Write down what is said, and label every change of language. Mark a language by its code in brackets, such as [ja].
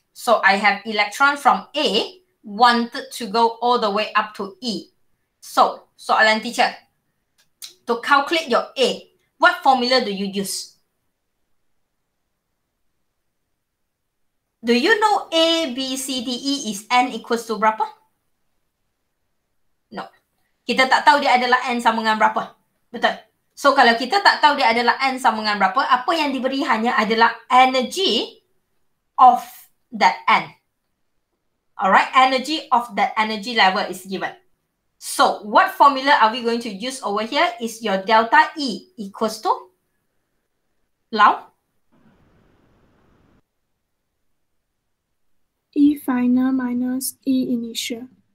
[en] So I have electron from A wanted to go all the way up to E. So, soalan teacher. To calculate your A, what formula do you use? Do you know A, B, C, D, E is N equals to berapa? No. [ms] Kita tak tahu dia adalah N sama dengan berapa. Betul. So kalau kita tak tahu dia adalah N sama dengan berapa, apa yang diberi hanya adalah energy of that N. [en] Alright, energy of that energy level is given. So, what formula are we going to use over here? Is your delta E equals to Lau? E final minus E initial.